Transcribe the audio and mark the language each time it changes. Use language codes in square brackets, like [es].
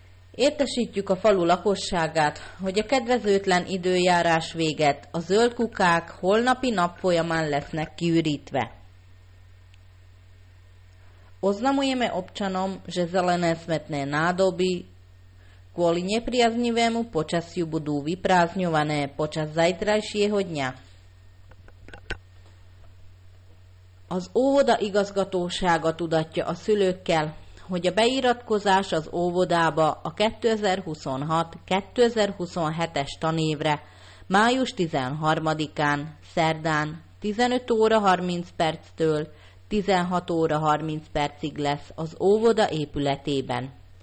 [hu] Értesítjük a falu lakosságát, hogy a kedvezőtlen időjárás véget a zöld kukák holnapi nap folyamán lesznek kiürítve. [sk] Oznamujeme občanom, že zelené smetné nádoby kvôli nepriaznivému počasiu budú vyprázdňované počas zajtrajšieho dňa. [hu] Az óvoda igazgatósága tudatja a szülőkkel, hogy a beiratkozás az óvodába a 2026-2027-es tanévre május 13-án, szerdán 15 óra 30 perctől 16 óra 30 percig lesz az óvoda épületében.